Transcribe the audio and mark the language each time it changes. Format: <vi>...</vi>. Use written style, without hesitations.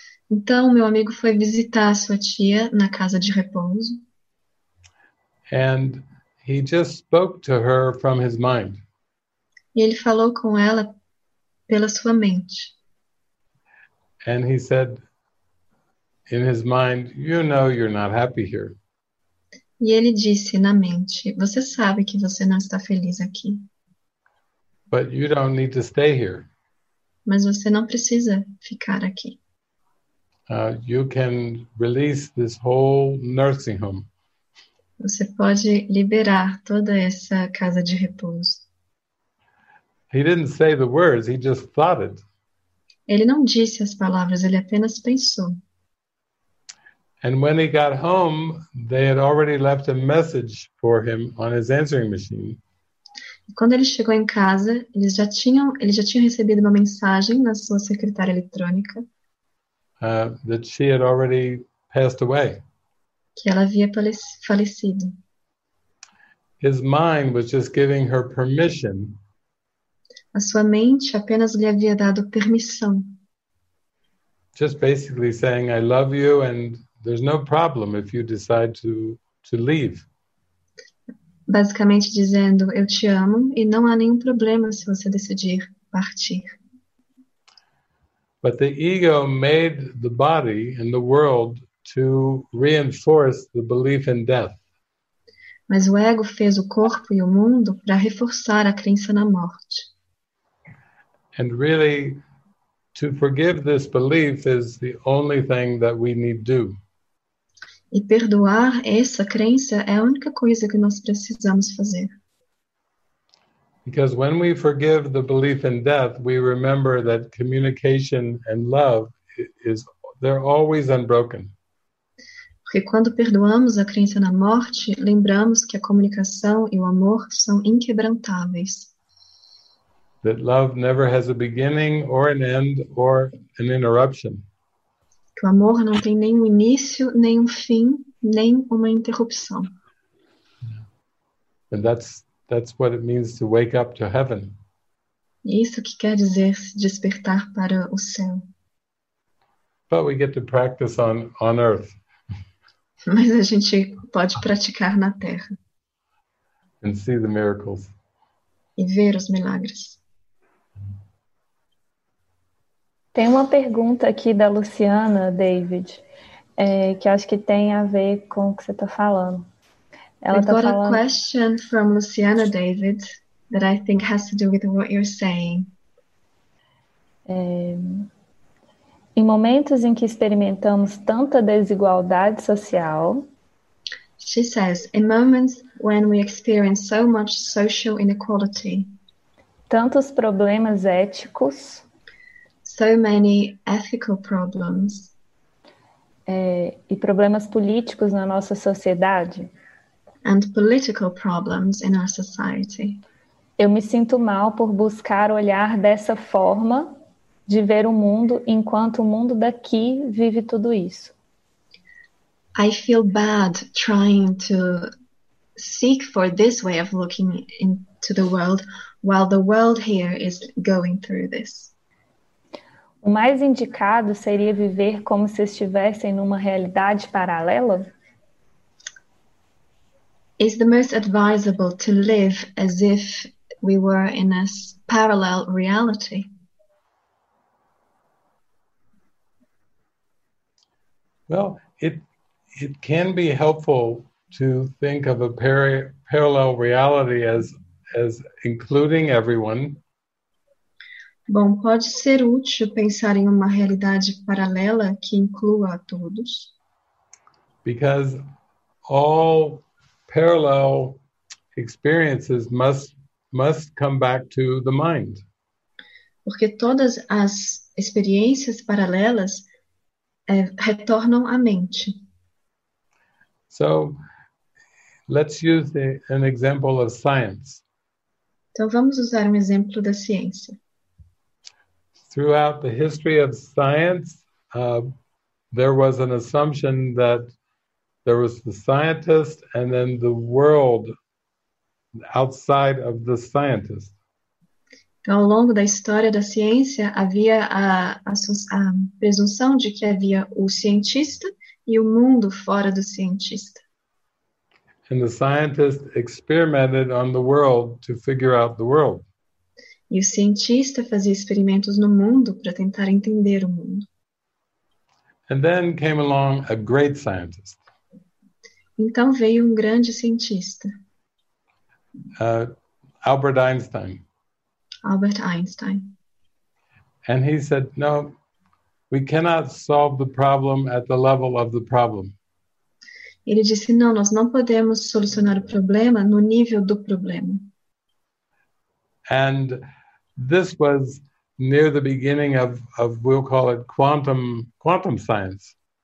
<pt>Então meu amigo foi visitar a sua tia na casa de repouso.</pt> <en>And he just spoke to her from his mind.</en> <pt>E ele falou com ela pela sua mente.</pt> <en>And he said in his mind, "You know you're not happy here."</en> <pt>E ele disse na mente, "Você sabe que você não está feliz aqui."</pt> <en>But you don't need to stay here.</en> <pt>Mas você não precisa ficar aqui.</pt> <en>You can release this whole nursing home.</en> <pt>Você pode liberar toda essa casa de repouso.</pt> <en>He didn't say the words, he just thought it.</en> <pt>Ele não disse as palavras, ele apenas pensou.</pt> <en>And when he got home, they had already left a message for him on his answering machine.</en> <pt>Quando ele chegou em casa, ele já tinha recebido uma mensagem na sua secretária eletrônica.</pt> <en>That she had already passed away.</en> <pt>Que ela havia falecido.</pt> <en>His mind was just giving her permission.</en> <pt>A sua mente apenas lhe havia dado permissão.</pt> <en>Just basically saying, "I love you and there's no problem if you decide to leave."</en> <pt>Basicamente dizendo, eu te amo e não há nenhum problema se você decidir partir.</pt> <en>But the ego made the body and the world to reinforce the belief in death.</en> <pt>Mas o ego fez o corpo e o mundo para reforçar a crença na morte.</pt> <en>And really, to forgive this belief is the only thing that we need do.</en> <pt>E perdoar essa crença é a única coisa que nós precisamos fazer.</pt> <en>Because when we forgive the belief in death, we remember that communication and love is They're always unbroken.</en> <pt>Porque quando perdoamos a crença na morte, lembramos que a comunicação e o amor são inquebrantáveis.</pt> <en>That love never has a beginning or an end or an interruption.</en> <pt>Que o amor não tem nem um início, nem um fim, nem uma interrupção.</pt> <en>And that's what it means to wake up to heaven.</en> <pt>Isso que quer dizer despertar para o céu.</pt> <en>But we get to practice on earth.</en> <pt>Mas a gente pode praticar na terra.</pt> <en>And see the miracles.</en> <pt>E ver os milagres. Tem uma pergunta aqui da Luciana, David, que acho que tem a ver com o que você está falando. Ela</pt> <en>I've</en> <pt>tá</pt> <en>got</en> <pt>falando...</pt> <en>a question from Luciana, David, that I think has to do with what you're saying.</en> <pt>Em momentos em que experimentamos tanta desigualdade social,</pt> <en>she says, in moments when we experience so much social inequality,</en> <pt>tantos problemas éticos,</pt> <en>so many ethical problems,</en> <pt>e problemas políticos na nossa sociedade,</pt> <en>and political problems in our society.</en> <pt>Eu me sinto mal por buscar olhar dessa forma de ver o mundo enquanto o mundo daqui vive tudo isso.</pt> <en>I feel bad trying to seek for this way of looking into the world while the world here is going through this.</en> <pt>O mais indicado seria viver como se estivessem numa realidade paralela?</pt> <en>Is the most advisable to live as if we were in a parallel reality? Well, it can be helpful to think of a parallel reality as including everyone.</en> <pt>Bom, pode ser útil pensar em uma realidade paralela que inclua a todos.</pt> <en>Because all parallel experiences must come back to the mind.</en> <pt>Porque todas as experiências paralelas retornam à mente.</pt> <en>So, let's use an example of science.</en> <pt>Então, vamos usar um exemplo da ciência.</pt> <en>Throughout the history of science, there was an assumption that there was the scientist and then the world outside of the scientist.</en> <pt>Então, ao longo da história da ciência, havia a presunção de que havia o cientista e o mundo fora do cientista.</pt> <en>And the scientist experimented on the world to figure out the world.</en> <pt>E o cientista fazia experimentos no mundo para tentar entender o mundo.</pt> <en>And then came along a great scientist.</en> <pt>Então veio um grande cientista.</pt> <en>Albert Einstein.</en> <pt>Albert Einstein.</pt> <en>And he said, no, we cannot solve the problem at the level of the problem.</en> <pt>Ele disse, não, nós não podemos solucionar o problema no nível do problema.</pt> <en>And this was near the beginning of we'll call it quantum science.</en>